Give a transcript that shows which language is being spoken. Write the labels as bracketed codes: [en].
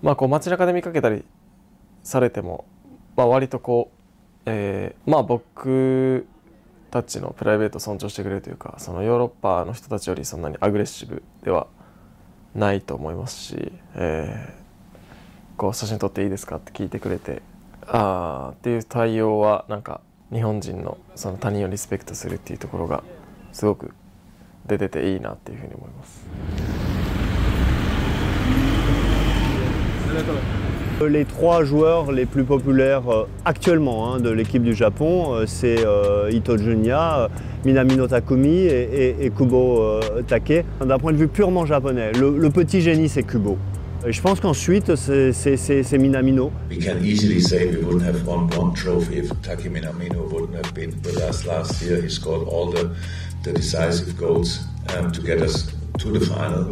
[ja] まあこう街中で見かけたりされても、割とこう、僕たちのプライベートを尊重してくれるというか、そのヨーロッパの人たちよりそんなにアグレッシブではないと思いますし、こう写真撮っていいですかって聞いてくれて、ああっていう対応はなんか日本人のその他人をリスペクトするっていうところがすごく出てていいなっていうふうに思います。 [fr] Les trois joueurs les plus populaires actuellement hein, de l'équipe du Japon, c'est Ito Junya, Minamino Takumi et Kubo Take. D'un point de vue purement japonais, le petit génie c'est Kubo. Et je pense qu'ensuite c'est Minamino. [en] We can easily say we wouldn't have won one trophy if Take Minamino wouldn't have been with us last year. He scored all the decisive goals to get us to the final.